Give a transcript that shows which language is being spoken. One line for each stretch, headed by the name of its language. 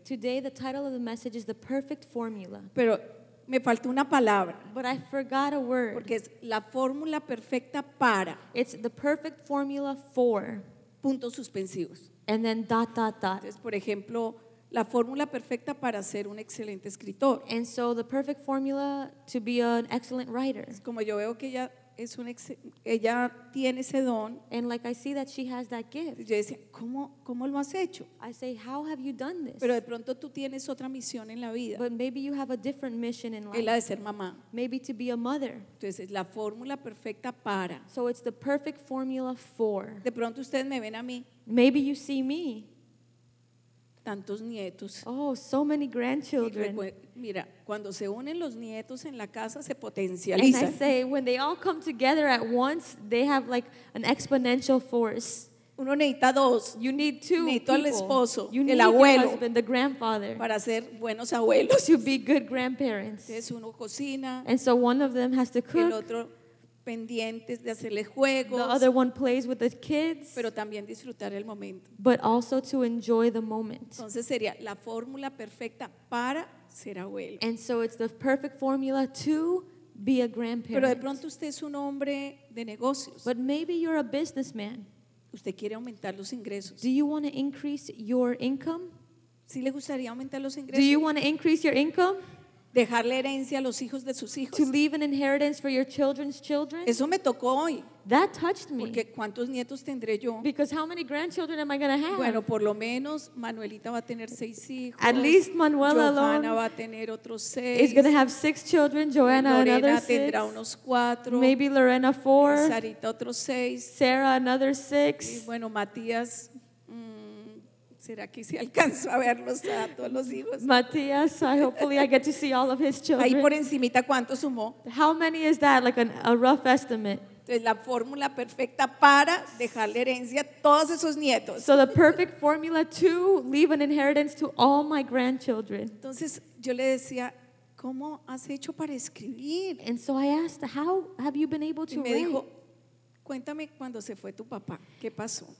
English: Today the title of the message is the perfect formula.
Spanish: Pero me faltó una palabra.
English: But I forgot a word.
Spanish: Porque es la fórmula perfecta para.
English: It's the perfect formula for.
Spanish: Puntos suspensivos.
English: And then dot dot dot.
Spanish: Entonces, por ejemplo, la fórmula perfecta para ser un excelente escritor.
English: And so the perfect formula to be an excellent writer.
Spanish: Es como yo veo que ya es un ella tiene ese don.
English: And like I see that she has that gift.
Spanish: Yo decía, ¿cómo lo has hecho?
English: I say, how have you done this?
Spanish: Pero de pronto tú tienes otra misión en la vida.
English: But maybe you have a different mission in life.
Spanish: Es la de ser mamá.
English: Maybe to be a mother.
Spanish: Entonces es la fórmula perfecta para.
English: So it's the perfect formula for.
Spanish: De pronto ustedes me ven a mí.
English: Maybe you see me.
Spanish: Tantos nietos.
English: Oh, so many grandchildren.
Spanish: Mira, cuando se unen los nietos en la casa se potencializa.
English: And I say, when they all come together at once, they have like an exponential force.
Spanish: Uno necesita dos.
English: You need two.
Spanish: Necesito Al esposo,
English: you
Spanish: el
English: need
Spanish: abuelo,
English: your husband, the grandfather,
Spanish: para ser buenos abuelos.
English: To be good grandparents.
Spanish: Entonces uno cocina.
English: And so one of them has to cook.
Spanish: El otro pendientes de hacerles juegos.
English: The other one plays with the kids.
Spanish: Pero también disfrutar el momento.
English: But also to enjoy the moment.
Spanish: Entonces sería la fórmula perfecta para ser abuelo.
English: And so it's the perfect formula to be a grandparent.
Spanish: Pero de pronto usted es un hombre de negocios.
English: But maybe you're a businessman.
Spanish: Usted quiere aumentar los ingresos.
English: Do you want to increase your income?
Spanish: ¿Sí le gustaría aumentar los ingresos?
English: Do you want to increase your income?
Spanish: Dejar la herencia a los hijos de sus hijos.
English: To leave an inheritance for your children's children.
Spanish: Eso me tocó hoy.
English: That touched me.
Spanish: Porque ¿cuántos nietos tendré yo?
English: Because how many grandchildren am I going to have?
Spanish: Bueno, por lo menos Manuelita va a tener 6 hijos.
English: At least Manuela Johanna alone.
Spanish: Joana va a tener otros 6.
English: Is going to have 6 children. Joana Lorena another 6.
Spanish: Lorena tendrá unos 4.
English: Maybe Lorena 4.
Spanish: Sarita otros 6.
English: Sarah another 6.
Spanish: Y bueno, Matías. ¿Será que si alcanzo a verlos a todos los hijos?
English: Matías, hopefully I get to see all of his children.
Spanish: Ahí por encimita, ¿cuánto sumó?
English: How many is that? Like a rough estimate.
Spanish: Entonces, la fórmula perfecta para dejar la herencia a todos esos nietos.
English: So the perfect formula to leave an inheritance to all my grandchildren.
Spanish: Entonces, yo le decía, ¿cómo has hecho para escribir?
English: And so I asked, how have you been able to write?
Spanish: Y me dijo, cuéntame cuando se fue tu papá, ¿qué pasó?